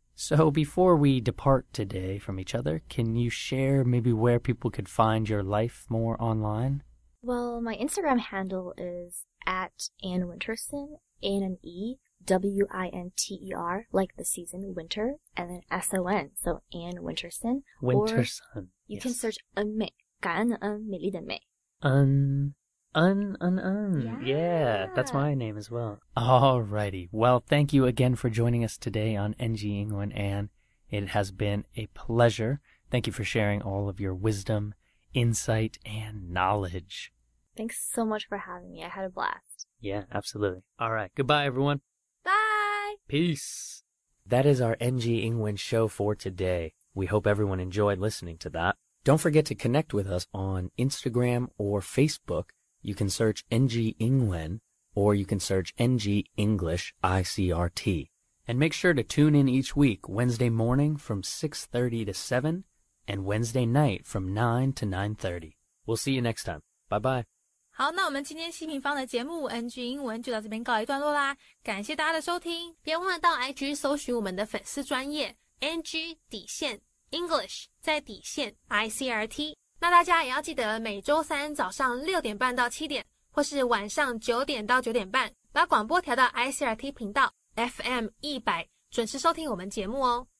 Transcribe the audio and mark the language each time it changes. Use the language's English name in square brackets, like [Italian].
[English] So before we depart today from each other, can you share maybe where people could find your life more online? Well, my Instagram handle is at Anne Winterson, A-N-N-E. W-I-N-T-E-R, like the season, winter, and then S-O-N, so Anne Winterson. Winterson, Or you can search 恩美, [Chinese] 感恩的恩, 美丽的美. [English] 恩,Un. Yeah, that's my name as well. Alrighty. Well, thank you again for joining us today on NG Ingwen, Anne. It has been a pleasure. Thank you for sharing all of your wisdom, insight, and knowledge. Thanks so much for having me. I had a blast. Yeah, absolutely. All right. Goodbye, everyone. Bye. Peace. That is our NG Ingwen show for today. We hope everyone enjoyed listening to that. Don't forget to connect with us on Instagram or Facebook. You can search NG Ingwen, or you can search NG English ICRT. And make sure to tune in each week, Wednesday morning from 6:30 to 7, and Wednesday night from 9 to 9:30. We'll see you next time. Bye-bye. [Chinese] 好，那我们今天新品方的节目 NG 英文就到这边告一段落啦。感谢大家的收听，别忘了到 IG 搜寻我们的粉丝专页 NG 底线 English 在底线 ICRT。那大家也要记得每周三早上6:30到7:00，或是晚上9:00到9:30，把广播调到 ICRT 频道 FM 100，准时收听我们节目哦。